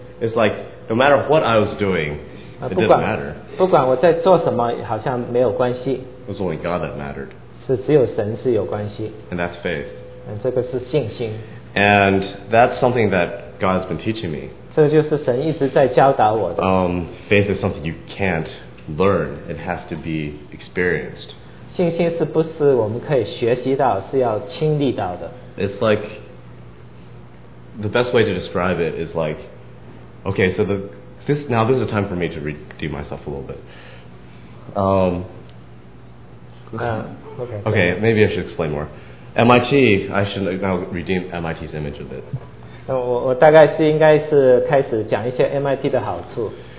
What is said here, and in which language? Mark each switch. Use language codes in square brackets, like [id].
[en] It's like no matter what I was doing. It doesn't matter. [zh] 不管我在做什么，好像没有关系。 [en] It was only God that mattered. [zh] 是只有神是有关系。 [en] And that's faith. [zh] 这个是信心。 [en] And that's something that God has been teaching me. [zh] 这就是神一直在教导我的。 [en] Faith is something you can't learn. It has to be experienced. [zh] 信心是不是我们可以学习到，是要亲历到的。 [en] It's like, the best way to describe it is like, okay, so the... This is a time for me to redeem myself a little bit. Okay, maybe I should explain more. MIT, I should now redeem MIT's image a bit. [zh] 我大概是应该是开始讲一些 MIT 的好处。